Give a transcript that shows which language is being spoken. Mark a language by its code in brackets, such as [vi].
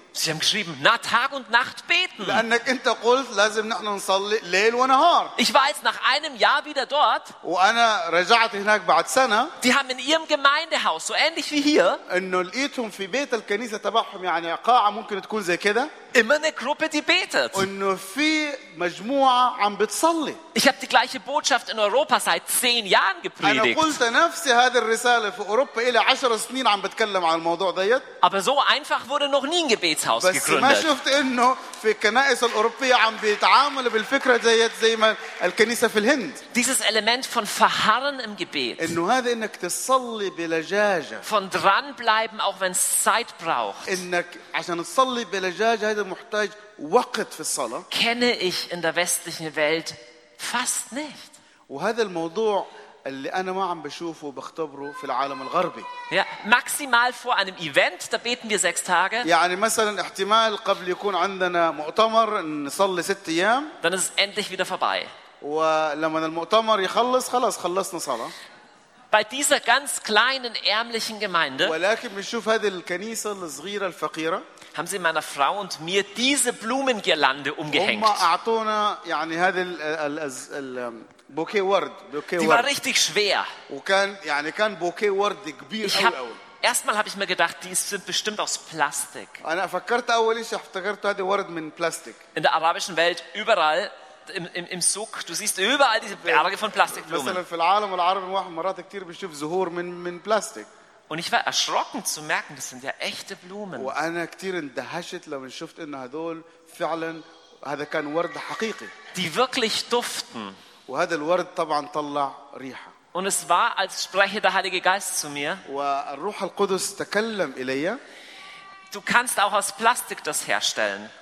[de] Sie haben geschrieben, na Tag und Nacht beten. [ar] لأنك أنت قلت لازم نحن نصلي ليل ونهار. [de] Ich war jetzt nach einem Jahr wieder dort. [ar] وأنا رجعت هناك بعد سنة. [de] Die haben in ihrem Gemeindehaus, so ähnlich wie hier. [ar] إنه لقيتهم في بيت الكنيسة تبعهم يعني قاعة ممكن تكون زي كده. [de] Immer eine Gruppe, die betet. [ar] إنه في مجموعة عم بتصلي. [de] Ich habe die gleiche Botschaft in Europa seit 10 Jahren gepredigt. [ar] أنا قلت نفسي هذه الرسالة في أوروبا إلى 10 سنين عم بتكلم عن الموضوع ديت. [de] Aber so einfach wurde noch nie ein Gebet. [ar] بس ما شفت إنه في الكنائس الأوروبية عم بيتعامل بالفكرة زي ما الكنيسة في الهند. [de] Dieses Element von Verharren im Gebet. [ar] إنه هذا إنك تصلي بلجاجة. [de] Von dranbleiben auch wenn Zeit braucht. [ar] إنك عشان تصلي بلجاجة هذا محتاج وقت في الصلاة. [de] Kenne ich in der westlichen Welt fast nicht. [ar] وهذا الموضوع اللي أنا ما عم بشوفه وبختبره في العالم الغربي. يا [de] maximal vor einem Event da beten wir 6 Tage. [ar] يعني مثلاً احتمال قبل يكون عندنا مؤتمر نصلي 6 أيام. [de] Dann ist endlich wieder vorbei. [ar] ولما المؤتمر يخلص خلاص خلصنا صلاة. [de] Bei dieser ganz kleinen ärmlichen Gemeinde. [ar] ولكن بنشوف هذه الكنيسة الصغيرة الفقيرة. [de] Haben sie meiner Frau und mir diese Blumengirlande umgehängt. [ar] هم أعطونا يعني هذه ال بوكيه ورد بوكيه ورد. [de] Die war richtig schwer. [ar] وكان يعني كان بوكيه ورد كبير قوي. [de] Erstmal habe ich mir gedacht, die sind bestimmt aus Plastik. [ar] أنا فكرت أول شيء افتكرت هذه ورد من بلاستيك. [de] In der arabischen Welt überall im Suk, du siehst überall diese Berge von Plastikblumen. [ar] مثلاً في العالم العربي واحد مرات كتير بيشوف زهور من بلاستيك. [de] Und ich war erschrocken zu merken, das sind ja echte Blumen. [ar] وأنا كتير اندهشت لما شفت إن هذول فعلًا هذا كان ورد حقيقي. [de] Die wirklich duften. [ar] وهذا الورد طبعا طلع ريحه. [de] Und es war als spreche der Heilige Geist zu mir. [ar] والروح القدس تكلم الي. [de] Du kannst auch aus Plastik das herstellen.